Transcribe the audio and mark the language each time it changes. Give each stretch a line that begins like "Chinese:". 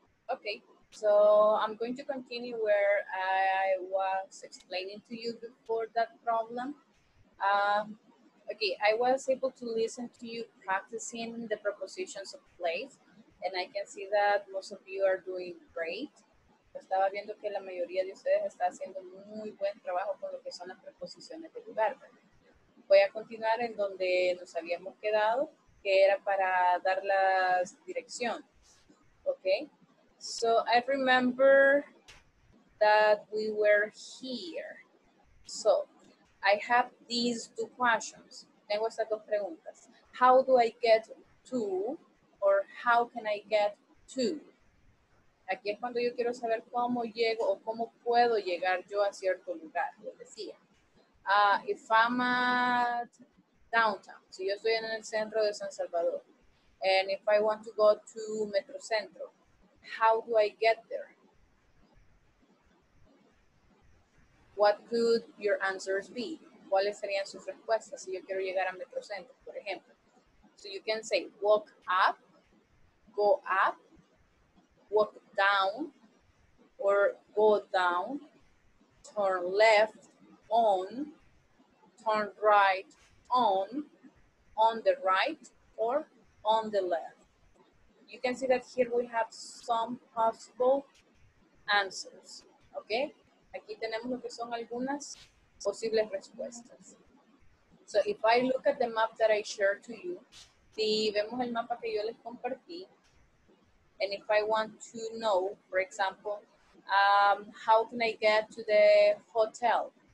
English: Okay, so I'm going to continue where I was explaining to you before that problem. Okay, I was able to listen to you practicing the prepositions of place, and I can see that most of you are doing great.
Spanish: Estaba viendo que la mayoría de ustedes está haciendo muy buen trabajo con lo que son las preposiciones de lugar. Voy a continuar en donde nos habíamos quedado, que era para dar las direcciones.
English: Okay. So I remember that we were here. So I have these two questions.
Spanish: Tengo estas dos preguntas.
English: How do I get to, or how can I get to?
Spanish: Aquí es cuando yo quiero saber cómo llego o cómo puedo llegar yo a cierto lugar, lo decía.
English: If I'm at downtown,
Spanish: si yo estoy en el centro de San Salvador,
English: and if I want to go to Metro Centro, how do I get there? What could your answers be?
Spanish: ¿Cuáles serían sus respuestas si yo quiero llegar a Metro Centro, por ejemplo?
English: So you can say walk up, go up, walk down, or go down, turn left on, turn right on the right, or on the left. You can see that here we have some possible answers, okay?
Spanish: Aquí tenemos lo que son algunas posibles respuestas.
English: So if I look at the map that I shared to you,
Spanish: si vemos el mapa que yo les compartí,
English: and if I want to know, for example, how can I get to the hotel?